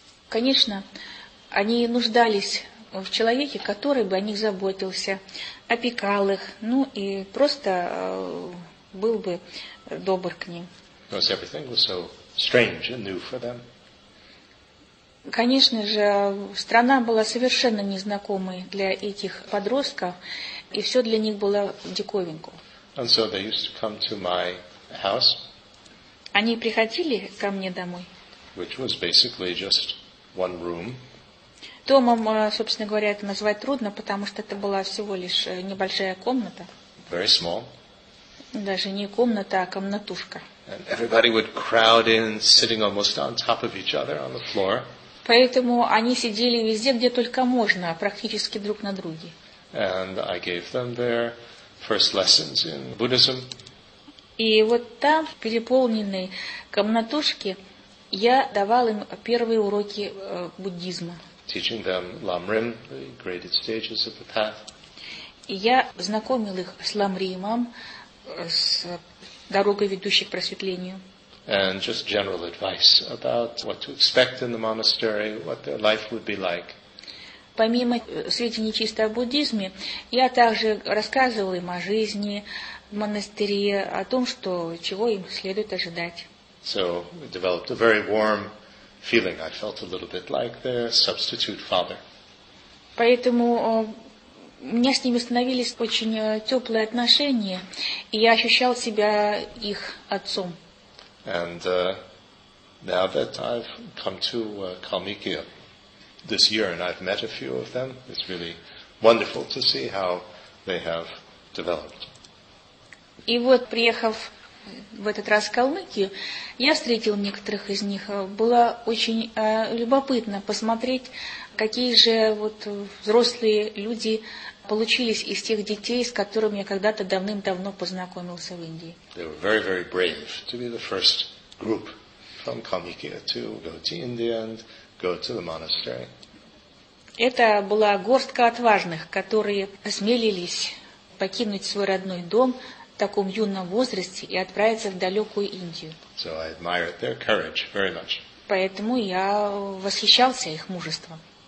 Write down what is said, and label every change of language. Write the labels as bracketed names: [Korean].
[Russian] Конечно, они нуждались в человеке, который бы о них заботился, опекал их, ну и просто был бы добр к ним. [English] Because everything was so strange and new for them. [Russian] Конечно же, страна была совершенно незнакомой для этих подростков, и все для них было диковинку. [English] And so they used to come to my house. [Russian] Они приходили ко мне домой. [English] Which was basically just one room. [Russian] Домом, собственно говоря, это назвать трудно, потому что это была всего лишь небольшая комната. [English] Very small. [Russian] Даже не комната, а комнатушка. [English] And everybody would crowd in, sitting almost on top of each other on the floor. [Russian] Поэтому они сидели везде, где только можно, практически друг на друге. [English] And I gave them their first lessons in Buddhism. [Russian] И вот там, в переполненной комнатушке, я давал им первые уроки буддизма. [English] Teaching them ламрим, the graded stages of the path. [Russian] И я знакомил их с ламримом, с дорогой, ведущей к просветлению. [English] And just general advice about what to expect in the monastery, what their life would be like. [Russian] Помимо сведений чисто о буддизме, я также рассказывал им о жизни в монастыре, о том, что чего им следует ожидать. [English] So we developed a very warm feeling. I felt a little bit like their substitute father. [Russian] Поэтому у меня с ними становились очень теплые отношения, и я ощущал себя их отцом. [English] And now that I've come to Калмыкия this year and I've met a few of them, it's really wonderful to see how they have developed. [Russian] И вот, приехав в этот раз в Калмыкию, я встретил некоторых из них. Было очень любопытно посмотреть, какие же вот взрослые люди получились из тех детей, с которыми я когда-то давным-давно познакомился в Индии. [English] They were very, very brave to be the first group from Калмыкия to go to India and go to the monastery. [Russian] Это была горстка отважных, которые осмелились покинуть свой родной дом в таком юном возрасте и отправиться в далекую Индию. [English] So I admired their courage very much. [Russian] Поэтому я восхищался их мужеством.